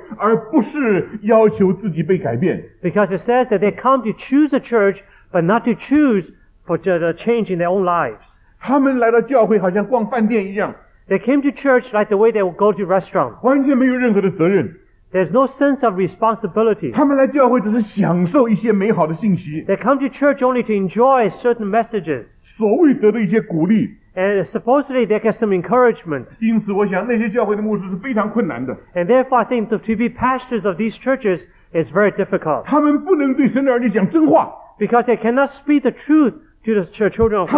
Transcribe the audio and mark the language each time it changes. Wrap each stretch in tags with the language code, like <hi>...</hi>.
<zh>他说这些人来到教会，他们是选择教会，而不是要求自己被改变。</zh> <en>Because it says that they come to choose a church, but not to choose for the change in their own lives.</en> <zh>他们来到教会好像逛饭店一样。</zh> <en>They came to church like the way they would go to restaurant.</en> <zh>完全没有任何的责任。</zh> <en>There's no sense of responsibility. They come to church only to enjoy certain messages.</en> <zh>所谓得的一些鼓励。</zh> <en>And supposedly they get some encouragement.</en> <zh>因此我想那些教会的牧师是非常困难的。</zh> <en>And therefore I think to be pastors of these churches is very difficult.</en> <zh>他们不能对神的儿女讲真话。</zh> <en>Because they cannot speak the truth to the children of God.</en>